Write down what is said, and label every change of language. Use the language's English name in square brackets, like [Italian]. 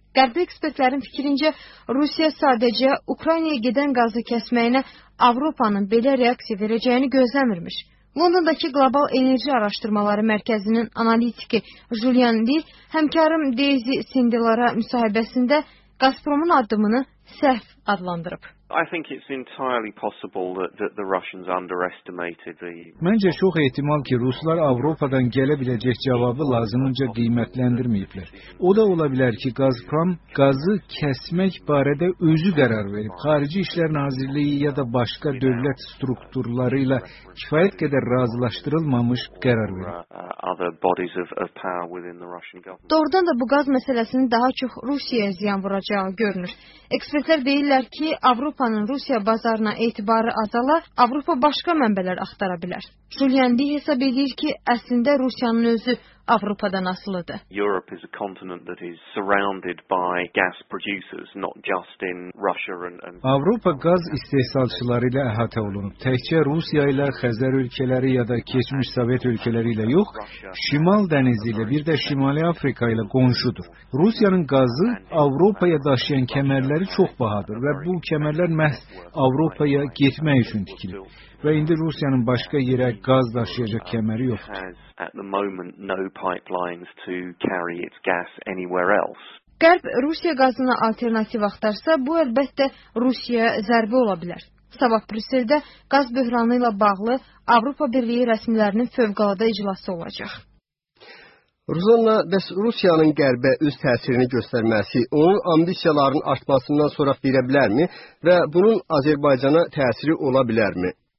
[Azerbaijani] Qərbi ekspertlərin fikrincə, Rusiya sadəcə Ukraynaya gedən qazı kəsməyinə Avropanın belə reaksiya verəcəyini gözləmirmiş. Londondakı Qlobal Enerji Araşdırmaları Mərkəzinin analitiki Julian Lee, həmkarım Daisy Sindelara müsahibəsində Qazpromun addımını səhv adlandırıb. [English] I think it's entirely possible that the Russians underestimated the [Azerbaijani] Məncə çox ehtimal ki, Ruslar Avropadan gələ biləcək cavabı lazımınca qiymətləndirməyiblər. O da ola bilər ki, Gazprom qazı kəsmək barədə özü qərar verib. Xarici İşlər Nazirliyi ya da başqa dövlət strukturları ilə kifayət qədər razılaşdırılmamış qərar verib. Doğrudan da bu qaz məsələsini daha çox Rusiyaya ziyan vuracağı görünür. Ekspertlər deyirlər ki, Avropanın Rusiya bazarına etibarı azala, Avropa başqa mənbələr axtara bilər. Julian Lee hesab edir ki, əslində Rusiyanın özü Avropadan asılıdır. [English] Europe is a continent that is surrounded by gas producers, not just in Russia and [Azerbaijani] Avropa qaz istehsalçıları ilə əhatə olunub. Təkcə Rusiya ilə Xəzər ölkələri ya da keçmiş Sovet ölkələri ilə yox, Şimal dənizi ilə bir də Şimali Afrika ilə qonşudur. Rusiyanın qazı Avropaya daşıyan kəmərləri çox bahadır və bu kəmərlər məhz Avropaya getmək üçün tikilib. Və indi Rusiyanın başqa yerə qaz daşıyacaq kəməri yoxdur. [English] At the moment, no pipelines to carry its gas anywhere else. [Azerbaijani] Qərb Rusiya qazına alternativ axtarsa, bu əlbəttə Rusiyaya zərbə ola bilər. Sabah Brüsseldə qaz böhranı ilə bağlı Avropa Birliyi rəsmilərinin fövqəladə iclası olacaq. Ruzanna, bəs Rusiyanın qərbə öz təsirini göstərməsi onun ambisiyaların artmasından sonra verə bilərmi və bunun Azərbaycana təsiri ola bilərmi?